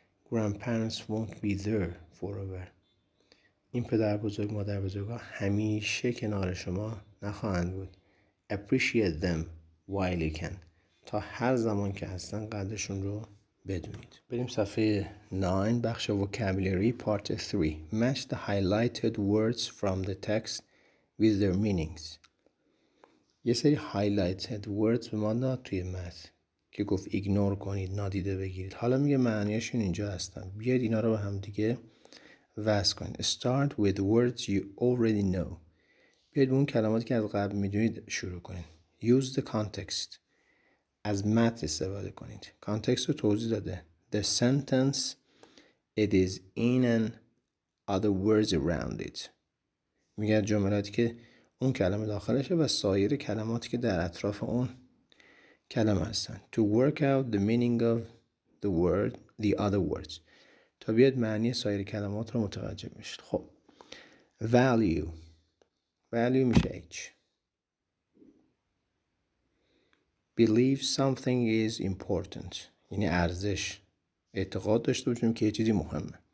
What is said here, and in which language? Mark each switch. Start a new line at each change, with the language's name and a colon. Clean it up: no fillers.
English: Grandparents won't be there forever.
Persian: این پدر بزرگ مادر بزرگ ها همیشه کنار شما نخواهند بود.
English: Appreciate them while you can.
Persian: تا هر زمان که هستن قدرشون رو بدونید. بریم صفحه 9 بخش vocabulary part 3.
English: Match the highlighted words from the text with their meanings.
Persian: یه سری
English: highlighted words
Persian: به ما داد توی متن که گفت ایگنور کنید، نادیده بگیرید. حالا میگه معنیشون اینجا هستن. بیاید اینا رو به هم دیگه وصل کنید.
English: Start with words you already know.
Persian: بیاید اون کلماتی که از قبل میدونید شروع کنید.
English: Use the context.
Persian: از متن استفاده کنید. کانتکست رو توضیح داده.
English: The sentence, it is in and other words around it.
Persian: میگه جملاتی که اون کلمه داخلشه و سایر کلماتی که در اطراف اون کلمه هستن.
English: To work out the meaning of the word, the other words.
Persian: تا بیاد معنی سایر کلمات رو متوجه میشید. خب. Value. Value میشه H.
English: Believe something is important.
Persian: یعنی ارزش. اعتقاد داشته باشیم که یه چیزی مهمه.